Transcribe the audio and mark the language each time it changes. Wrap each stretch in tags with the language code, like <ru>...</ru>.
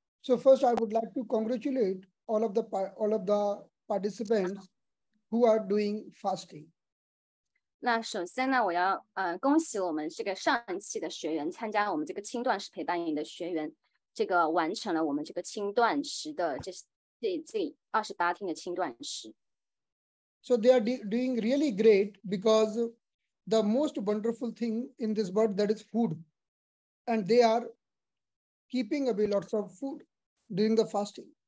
<en>So first I would like to congratulate all of the participants who are doing fasting.</en> <zh>那首先呢,我要恭喜我们这个上一期的学员参加我们这个轻断食陪伴营的学员,这个完成了我们这个轻断食的这28天的轻断食。</zh> <en>So they are doing really great because the most wonderful thing in this world, that is food. And they are keeping away lots of food during the fasting.</en>